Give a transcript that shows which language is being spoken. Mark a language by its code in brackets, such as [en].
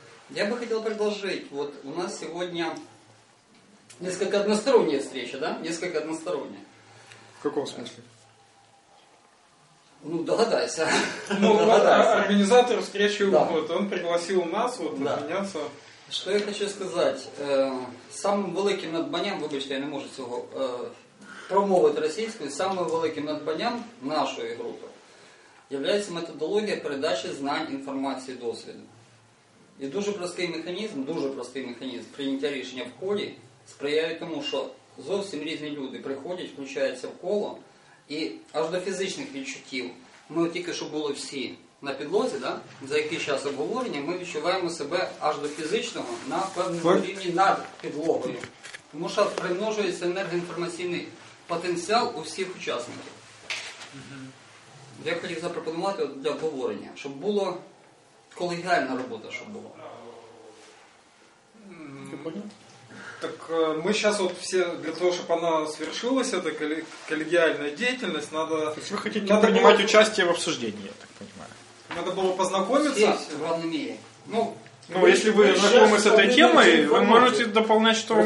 [ru] Я бы хотел предложить, вот у нас сегодня несколько односторонняя встреча, да? Несколько односторонняя. В каком смысле? Ну, догадайся. Ну, организатор встречи, вот он пригласил нас вот обменяться. Что я хочу сказать, самым великим [uk] надбанням, вибачте, я не можу цього промовити російською, самим великим надбанням нашої групи являється методологія передачі знань, інформації, досвіду. І дуже простий механізм прийняття рішення в колі сприяє тому, що зовсім різні люди приходять, включаються в коло, і аж до фізичних відчуттів, ми тільки що були всі, на підлозі, да? За який час обговорення, ми відчуваємо себе аж до фізичного на певному рівні над підлогою. Тому що примножується енергоінформаційний потенціал у всіх учасників. Я хотів запропонувати для обговорення, щоб була колегіальна робота, щоб була. [ru] Так мы сейчас вот все, для того, чтобы она свершилась, эта коллегиальная деятельность, надо... То есть вы хотите надо принимать было... участие в обсуждении, я так понимаю. Надо было познакомиться. Здесь, в равном мире. Ну, если вы знакомы с этой темой, вы можете дополнять, что вам...